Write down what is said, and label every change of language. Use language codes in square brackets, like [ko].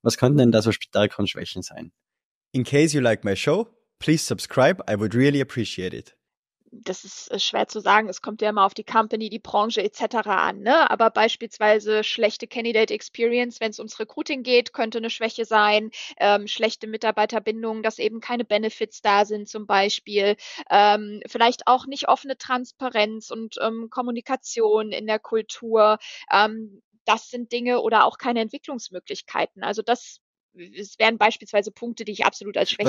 [de] Was könnten denn da so Stärken und Schwächen sein? [en] In case you like my show, please subscribe, I would really appreciate it. [de] Das ist schwer zu sagen, es kommt ja immer auf die Company, die Branche etc. an, ne? Aber beispielsweise schlechte Candidate Experience, wenn es ums Recruiting geht, könnte eine Schwäche sein, schlechte Mitarbeiterbindung, dass eben keine Benefits da sind zum Beispiel, vielleicht auch nicht offene Transparenz und Kommunikation in der Kultur, das sind Dinge oder auch keine Entwicklungsmöglichkeiten, also das wären beispielsweise Punkte, die ich absolut als Schwäche.